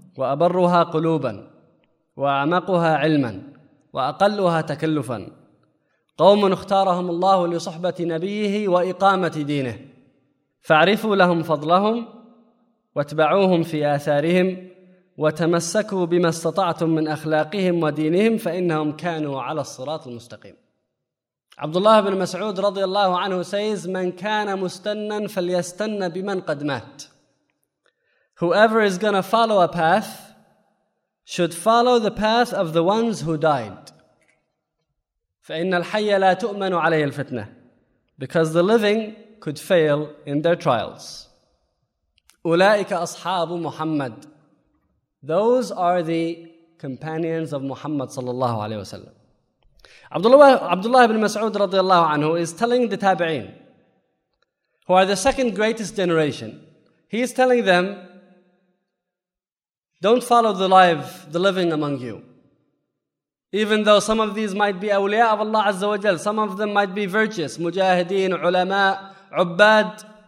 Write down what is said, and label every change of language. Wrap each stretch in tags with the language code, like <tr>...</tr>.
<ar>وأبرها قلوبا وأعمقها علما وأقلها تكلفا قوم اختارهم الله لصحبة نبيه وإقامة دينه فاعرفوا لهم فضلهم واتبعوهم في آثارهم وتمسكوا بما استطعتم من أخلاقهم ودينهم فإنهم كانوا على الصراط المستقيم عبد الله بن مسعود رضي الله عنه</ar> <en>says</en> <ar>من كان مستنا فليستن بمن قد مات</ar> <en>Whoever is going to follow a path should follow the path of the ones who died.</en> <ar>فَإِنَّ الْحَيَّ لَا تُؤْمَنُ عَلَيْهِ الْفِتْنَةِ</ar> <en>Because the living could fail in their trials.</en> <ar>أُولَٰئِكَ أَصْحَابُ مُحَمَّدٍ</ar> <en>Those are the companions of</en> <ar>Muhammad صلى الله عليه وسلم.</ar> <en>Abdullah ibn Mas'ud رضي الله عنه is telling the tabi'een, who are the second greatest generation, he is telling them, Don't follow the living among you. Even though some of these might be awliya of Allah Azza wa Jal, some of them might be virtuous, mujahideen, ulama, ubbad.</en>